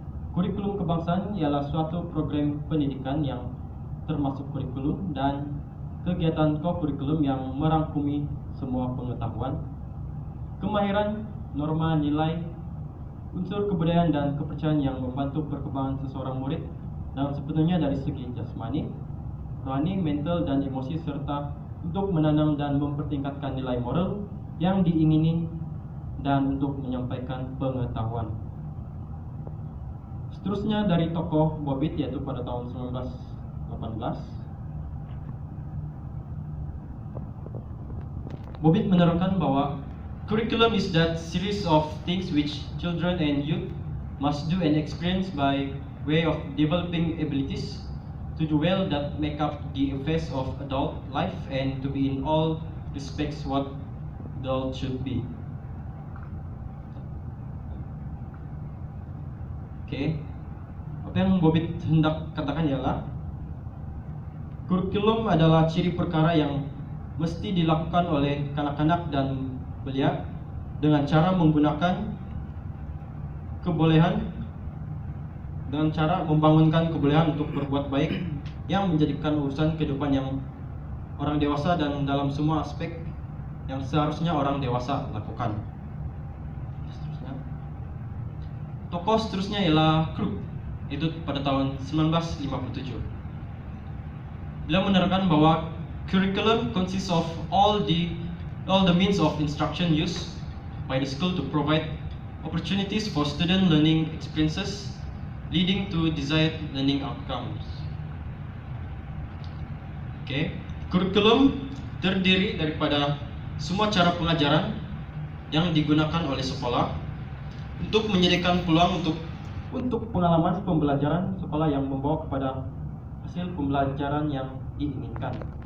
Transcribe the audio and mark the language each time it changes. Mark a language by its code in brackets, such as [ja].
[ms] Kurikulum kebangsaan ialah suatu program pendidikan yang termasuk kurikulum dan kegiatan kokurikulum yang merangkumi semua pengetahuan, kemahiran, norma, nilai, unsur kebudayaan dan kepercayaan yang membantu perkembangan seseorang murid dan sebetulnya dari segi jasmani, rohani, mental dan emosi serta untuk menanam dan mempertingkatkan nilai moral yang diingini dan untuk menyampaikan pengetahuan. Seterusnya dari tokoh Bobbitt yaitu pada tahun 1918. Bobbitt menerangkan bahwa [en] curriculum is that series of things which children and youth must do and experience by way of developing abilities to do well that make up the affairs of adult life and to be in all respects what adult should be. [ms] Oke. Okay. Apa yang Bobbitt hendak katakan ialah kurikulum adalah ciri perkara yang mesti dilakukan oleh kanak-kanak dan belia dengan cara menggunakan kebolehan, dengan cara membangunkan kebolehan untuk berbuat baik yang menjadikan urusan kehidupan yang orang dewasa dan dalam semua aspek yang seharusnya orang dewasa lakukan. Tokoh seterusnya ialah Krug, itu pada tahun 1957. Beliau menerangkan bahwa [en] curriculum consists of all the means of instruction used by the school to provide opportunities for student learning experiences leading to desired learning outcomes. Okay. [ms] Curriculum terdiri daripada semua cara pengajaran yang digunakan oleh sekolah untuk menyediakan peluang untuk pengalaman pembelajaran sekolah yang membawa kepada hasil pembelajaran yang diinginkan.